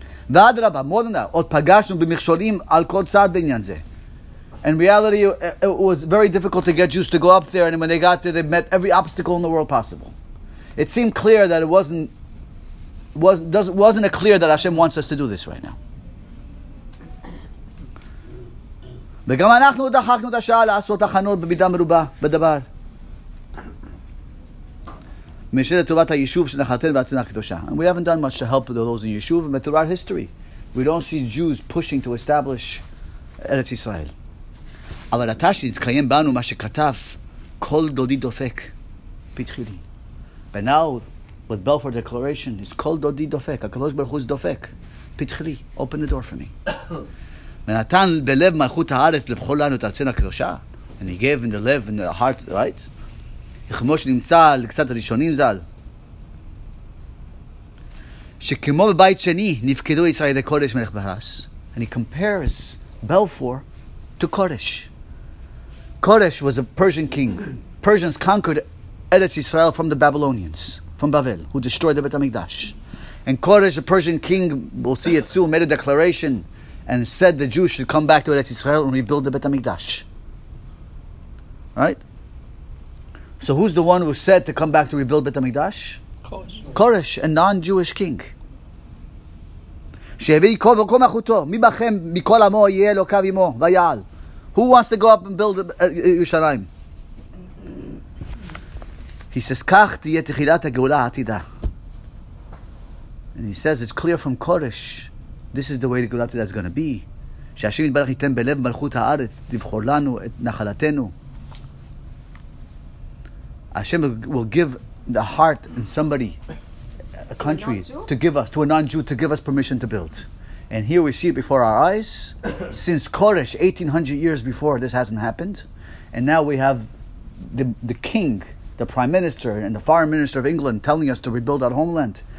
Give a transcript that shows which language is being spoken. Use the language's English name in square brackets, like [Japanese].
[Hebrew] V'adrabah, [English] more than that, [Hebrew] od pagashnu b'michsholim al kol tzad b'inyan zeh. [English] In reality, it was very difficult to get Jews to go up there, and when they got there, they met every obstacle in the world possible. It seemed clear that it wasn't clear that Hashem wants us to do this right now. [Hebrew] וגם אנחנו דחקנו את השעה לעשות הכנות במידה מרובה בדבר. משל לטובת היישוב שנחלתנו בארצנו הקדושה. [English] And we haven't done much to help those in Yishuv, but throughout history, we don't see Jews pushing to establish Eretz Yisrael. [Hebrew] אבל אתה שנתקיים בנו מה שכתב כל דודי דופק פתחילי. [English] But now, with Balfour Declaration, it's [Hebrew] כל דודי דופק. הקדוש ברוך הוא דופק. פתחילי, [English] open the door for me. [Hebrew] ונתן בלב מלכות הארץ לבחור לנו את ארצנו הקדושה. [English] And he gave in the lev and the heart, right? [Hebrew] כמו שנמצא לקצת הראשונים ז"ל. שכמו בבית שני נפקדו ישראל ידי קודש מלך בהרס. [English] And he compares Balfour to Kodesh. Koresh was a Persian king. Persians conquered Eretz Yisrael from the Babylonians, from Babel, who destroyed the Beit HaMikdash. And Koresh, a Persian king, we'll see it soon, made a declaration and said the Jews should come back to Eretz Yisrael and rebuild the Beit HaMikdash. Right? So who's the one who said to come back to rebuild Beit HaMikdash? Koresh. Koresh, a non-Jewish king. [Hebrew] שהביא כל מקום אחותו, מי בכם מכל עמו יהיה לו קו עמו, ויעל. [English] Who wants to go up and build Yerushalayim? He says, [Hebrew] כך תהיה תחילת הגאולה העתידה. [English] And he says, it's clear from Koresh, this is the way the Geulah is going to be. [Hebrew] שהשם יתברך ייתן בלב מלכות הארץ, לבחור לנו את נחלתנו. [English] Hashem will give the heart and somebody a country to give us, to a non-Jew, to give us permission to build. And here we see it before our eyes. Since Koresh, 1800 years before, this hasn't happened. And now we have the king, the prime minister, and the foreign minister of England telling us to rebuild our homeland.